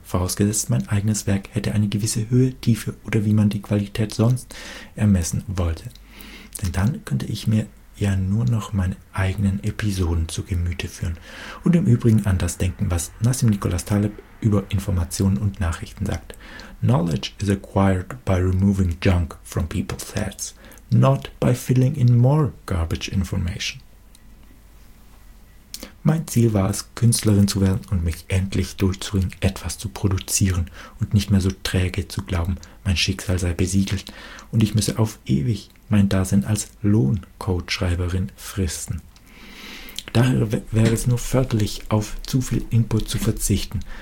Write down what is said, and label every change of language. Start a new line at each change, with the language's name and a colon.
German: Vorausgesetzt, mein eigenes Werk hätte eine gewisse Höhe, Tiefe oder wie man die Qualität sonst ermessen wollte. Denn dann könnte ich mir ja nur noch meine eigenen Episoden zu Gemüte führen. Und im Übrigen an das denken, was Nassim Nicholas Taleb über Informationen und Nachrichten sagt.
English: Knowledge is acquired by removing junk from people's heads, not by filling in more garbage information.
German: Mein Ziel war es, Künstlerin zu werden und mich endlich durchzuringen, etwas zu produzieren und nicht mehr so träge zu glauben, mein Schicksal sei besiegelt und ich müsse auf ewig mein Dasein als Lohncoach-Schreiberin fristen. Daher wäre es nur förderlich, auf zu viel Input zu verzichten.